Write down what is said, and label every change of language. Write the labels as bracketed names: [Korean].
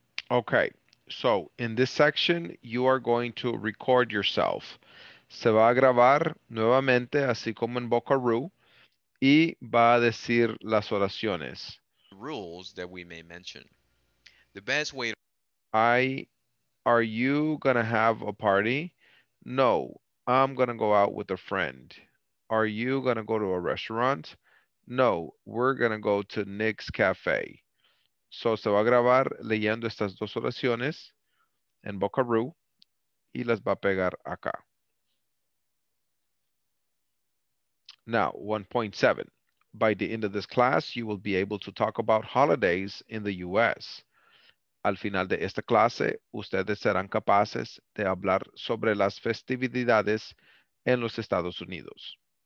[English] Okay, so in this section, you are going to record yourself. [Spanish] Se va a grabar nuevamente, así como en Boca Roo, y va a decir las oraciones. [English] Rules that we may mention. The best way to... Are you going to have a party? No, I'm going to go out with a friend. Are you going to go to a restaurant? No, we're going to go to Nick's Cafe. [Spanish] So, se va a grabar leyendo estas dos oraciones en Boca Roo y las va a pegar acá. [English] Now, 1.7. By the end of this class, you will be able to talk about holidays in the U.S. [Spanish] Al final de esta clase, ustedes serán capaces de hablar sobre las festividades en los Estados Unidos.